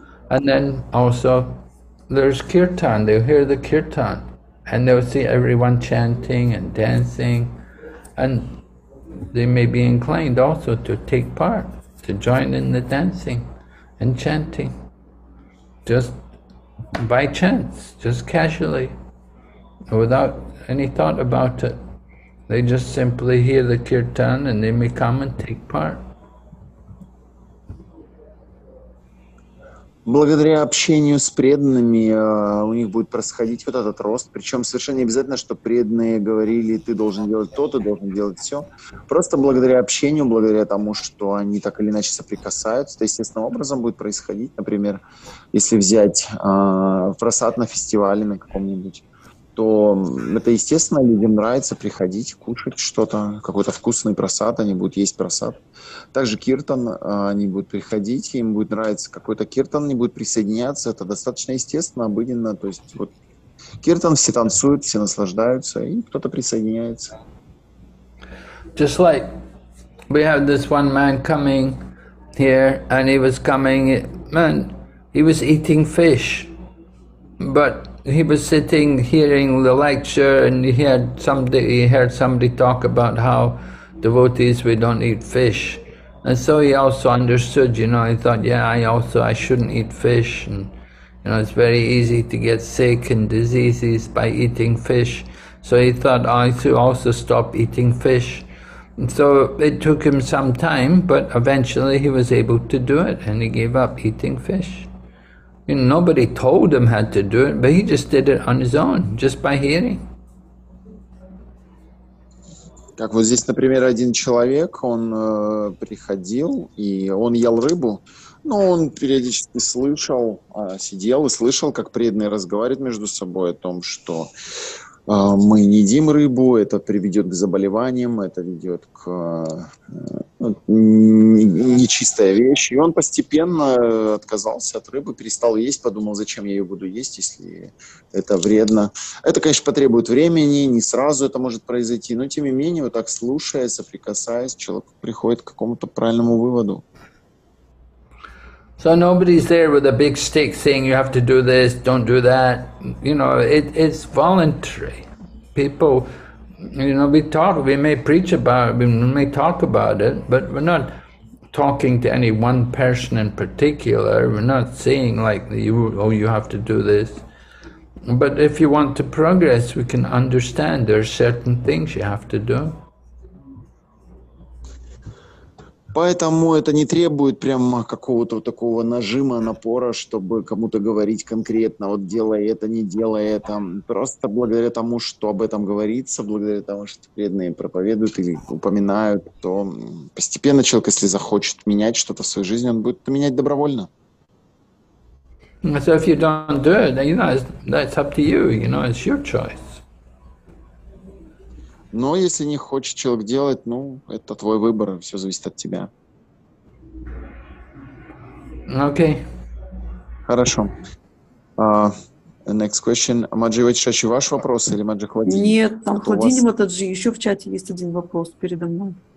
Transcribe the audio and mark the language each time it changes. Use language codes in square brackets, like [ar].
[en] And then also there's kirtan, they'll hear the kirtan and they'll see everyone chanting and dancing, and they may be inclined also to take part, to join in the dancing and chanting, just by chance, just casually, without any thought about it. They just simply hear the kirtan and they may come and take part. [ru] Благодаря общению с преданными у них будет происходить вот этот рост. Причем совершенно не обязательно, что преданные говорили, ты должен делать то, ты должен делать все. Просто благодаря общению, благодаря тому, что они так или иначе соприкасаются, это естественным образом будет происходить. Например, если взять просад на фестивале на каком-нибудь, то это естественно, людям нравится приходить, кушать что-то, какой-то вкусный просад, они будут есть просад. Также киртан, они будут приходить, им будет нравиться какой-то киртан, они будут присоединяться, это достаточно естественно, обыденно, то есть вот киртан, все танцуют, все наслаждаются, и кто-то присоединяется. [en] Just like we have this one man coming here, and he was coming, man, he was eating fish, but he was sitting, hearing the lecture, and he heard somebody talk about how devotees, we don't eat fish. And so he also understood, you know, he thought, yeah, I shouldn't eat fish. And, you know, it's very easy to get sick and diseases by eating fish. So he thought, oh, I should also stop eating fish. And so it took him some time, but eventually he was able to do it and he gave up eating fish. You know, nobody told him how to do it, but he just did it on his own, just by hearing. [ru] Как вот здесь, например, один человек, он приходил, и он ел рыбу, но он периодически слышал, сидел и слышал, как преданные разговаривают между собой о том, что мы не едим рыбу, это приведет к заболеваниям, это ведет к нечистая вещь. И он постепенно отказался от рыбы, перестал есть, подумал, зачем я ее буду есть, если это вредно. Это, конечно, потребует времени, не сразу это может произойти, но тем не менее, вот так слушая, соприкасаясь, человек приходит к какому-то правильному выводу. [en] So nobody's there with a big stick saying you have to do this, don't do that. You know, it's voluntary. People, you know, we talk, we may preach about it, we may talk about it, but we're not talking to any one person in particular. We're not saying like, you have to do this. But if you want to progress, we can understand there are certain things you have to do. [ru] Поэтому это не требует прямо какого-то такого нажима, напора, чтобы кому-то говорить конкретно, вот делай это, не делай это. Просто благодаря тому, что об этом говорится, благодаря тому, что преданные проповедуют или упоминают, то постепенно человек, если захочет менять что-то в своей жизни, он будет это менять добровольно. [en] So if you don't do it, then, you know, that's up to you, you know, it's your choice. [ru] Но если не хочет человек делать, ну, это твой выбор, все зависит от тебя. Окей. Хорошо. [en] Next question. [ru] Маджи Вайчачи, ваш вопрос или Маджи Хвадини? Нет, там Хвадини Матаджи, еще в чате есть один вопрос передо мной.